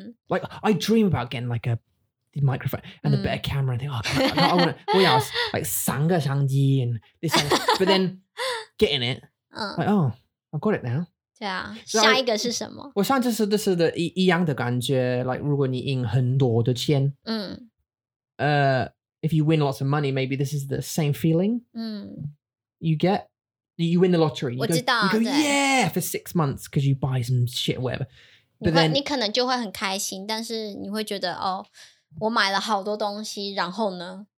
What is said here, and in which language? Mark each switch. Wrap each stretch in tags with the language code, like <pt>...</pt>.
<en>Like, I dream about getting like a microphone and a better camera. I think, oh, I want to, well, yeah, like,</en> <zh>三个相机</zh> <en>and this. But then getting it, like, oh, I've got it now.</en> <zh>对啊，下一个是什么？我上次是的，一样的感觉。</zh> <en>Like,</en> <zh>如果你赢很多的钱,</zh> <en>if you win lots of money, maybe this is the same feeling you get. You win the lottery. You go, yeah, for 6 months because you buy some shit, whatever. But then,</en> <zh>你可能就会很开心, 但是你会觉得, 哦, 我买了好多东西, 然后呢?</zh>